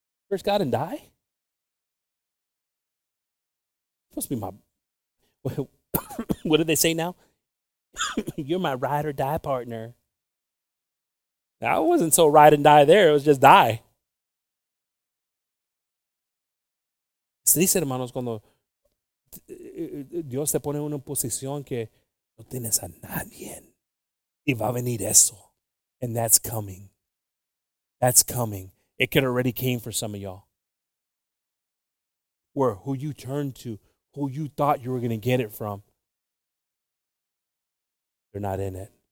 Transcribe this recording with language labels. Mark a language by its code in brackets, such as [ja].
[en] Curse God and die? Supposed to be my... What do they say now? You're my ride or die partner. I wasn't so ride and die there. It was just die. [es] Se dice, hermanos, cuando Dios te pone en una posición que no tienes a nadie. Y va a venir eso. [en] And that's coming. That's coming. It could already came for some of y'all. Where who you turned to, who you thought you were going to get it from, they're not in it.